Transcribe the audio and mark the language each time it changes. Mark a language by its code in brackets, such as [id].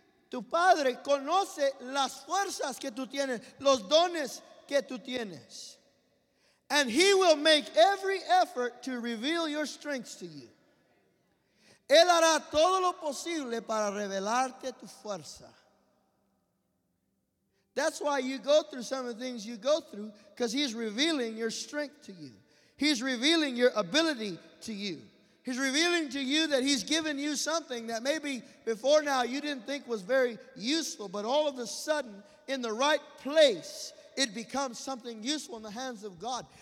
[es] Tu padre conoce las fuerzas que tú tienes, los dones que tú tienes. [en] And he will make every effort to reveal your strengths to you. [es] Él hará todo lo posible para revelarte tu fuerza. [en] That's why you go through some of the things you go through, because he's revealing your strength to you. He's revealing your ability to you. He's revealing to you that he's given you something that maybe before now you didn't think was very useful, but all of a sudden, in the right place, it becomes something useful in the hands of God.